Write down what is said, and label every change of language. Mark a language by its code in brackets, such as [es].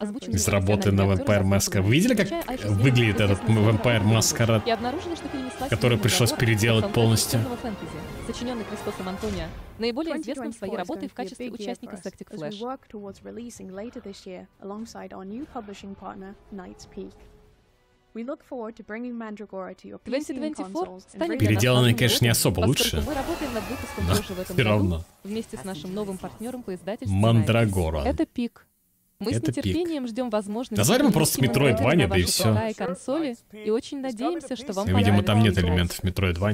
[ru] Из работы на Vampire Masquerade. Вы видели, как выглядит этот Vampire Masquerade, который пришлось переделать полностью? Сочиненный Кристосом Антонио, наиболее известным своей работой в качестве участника Sectic Flash. [en] We look forward to bringing Mandragora to your PC and consoles. [ru] Переделанный, конечно, не особо лучше. Мы работаем над выпуском уже в этом году вместе с нашим новым партнером по издательству Мандрагора. Это пик. Мы с нетерпением ждем возможности. Назовем просто Metroidvania, да и все. Консоли, и очень надеемся, что вам. Видимо, там нет элементов Metroidvania.